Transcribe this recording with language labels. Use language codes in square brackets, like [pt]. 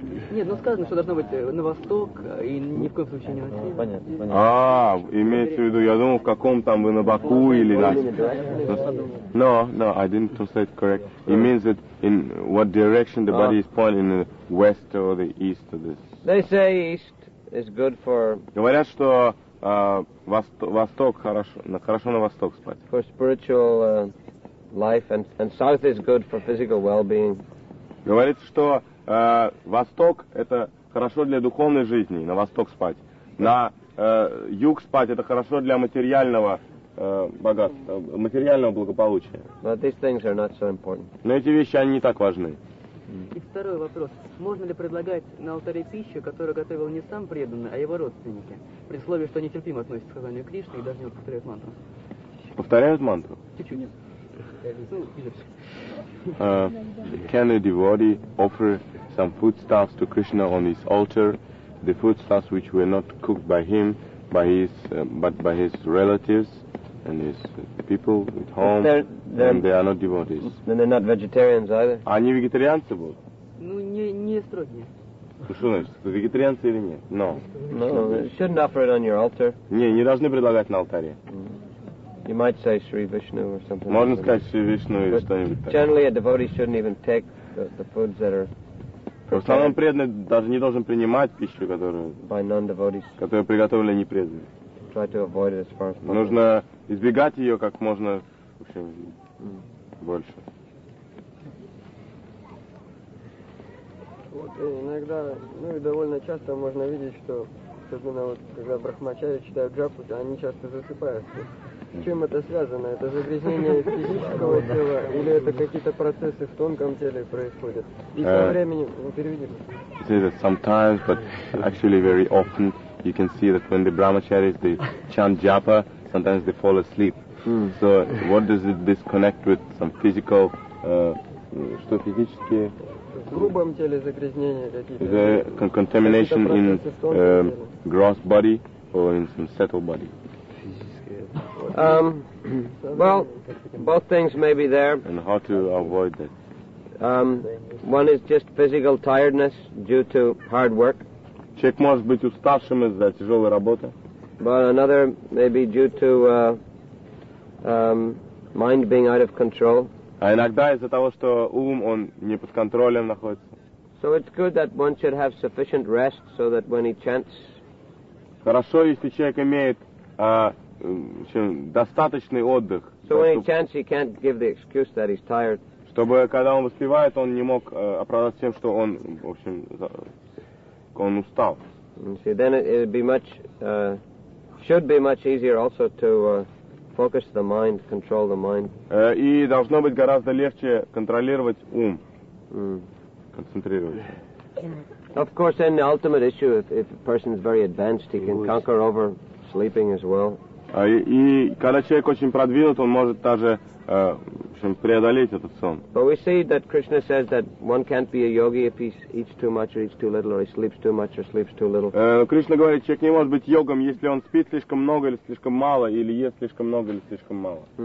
[ru] Нет, но сказано, что должно быть на восток и ни в коем случае не на север. Понятно. А, имеется в виду, я думал, в каком там вы на Баку или на. [en] No, I didn't translate correct. It means that in what direction the body is pointing, in the west or the east of this. They say east is good for. [ru] Говорят, что восток хорошо на восток спать. [en] For spiritual life and south is good for physical well-being. [ru] Говорит, что восток — это хорошо для духовной жизни, на восток спать. На юг спать — это хорошо для материального богатства, материального благополучия. [en] But these things are not so important. [ru] Но эти вещи, они не так важны. И второй вопрос. Можно ли предлагать на алтаре пищу, которую готовил не сам преданный, а его родственники, при условии, что они терпимо относятся к сказанию Кришны и даже не повторяют мантру? Повторяют мантру? Чуть-чуть, нет. [en] Can a devotee offer some foodstuffs to Krishna on his altar, the foodstuffs which were not cooked by him, but by his relatives and his people at home, and they are not devotees? Then they're not vegetarians either. [ru] Они вегетарианцы будут? Ну, не строгие. Что значит, вегетарианцы или нет? [en] No. No, you shouldn't offer it on your altar. [ru] Не должны предлагать на алтаре. [en] You might say Sri Vishnu or something. [ru] Можно сказать Sri Vishnu или что-нибудь. [en] Generally, a devotee shouldn't even take the foods that are prepared. [ru] В основном преданный даже не должен принимать пищу, которую. [en] By non-devotees. [ru] Которую приготовили непреданные. [en] Try to avoid it as far as possible. [ru] Нужно избегать ее как можно, в общем, больше. И иногда, ну и довольно часто можно видеть, что особенно вот когда брахмачари читают джапу, они часто засыпают. Чем это связано? Это загрязнение физического тела или это какие-то процессы в тонком теле происходят? И со временем, ну, переведи. [en] See that sometimes, but actually very often, you can see that when the brahmacharis they chant japa, sometimes they fall asleep. So what does it disconnect with some physical? [ru] Что физически? В грубом теле загрязнения какие-то. [en] The contamination in gross body or in some subtle body. Well, both things may be there. And how to avoid that? One is just physical tiredness due to hard work. [ru] Человек может быть уставшим из-за тяжелой работы. [en] But another may be due to mind being out of control. [ru] А иногда из-за того, что ум, он не под контролем находится. [en] So it's good that one should have sufficient rest so that when he chants. [ru] Хорошо, если человек имеет достаточный отдых. [en] So when he chants, he can't give the excuse that he's tired. [ru] Чтобы когда он воспевает, он не мог оправдаться тем, что он, в общем, он устал. [en] See, then it would be much, should be much easier also to focus the mind, control the mind. [ru] И должно быть гораздо легче контролировать ум, концентрировать. [en] Of course, then the ultimate issue, if a person is very advanced, he can conquer over sleeping as well. [ru] И когда человек очень продвинут, он может даже преодолеть этот сон. [en] But we see that Krishna says that one can't be a yogi if he eats too much or eats too little or he sleeps too much or sleeps too little. [ru] Кришна говорит, человек не может быть йогом, если он спит слишком много или слишком мало, или ест слишком много или слишком мало.